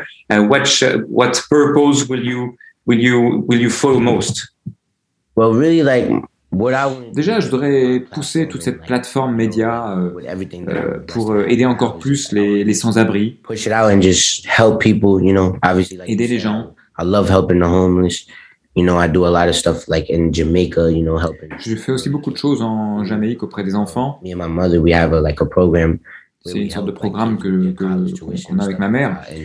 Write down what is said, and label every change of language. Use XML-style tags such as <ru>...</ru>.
<en>What purpose will you follow most? Well, really, like what I</en> <fr>déjà, je voudrais pousser toute cette plateforme média pour aider encore plus les sans-abri.</fr> <en>Push it out and just help people, you know. Obviously, like</en> <fr>aider les gens.</fr> <en>I love helping the homeless. You know, I do a lot of stuff like in Jamaica, you know, helping.</en> <fr>Je fais aussi beaucoup de choses en Jamaïque auprès des enfants.</fr> <en>Me and my mother, we have a program.</en> <fr>C'est une sorte de programme qu'on a avec ma mère.</fr>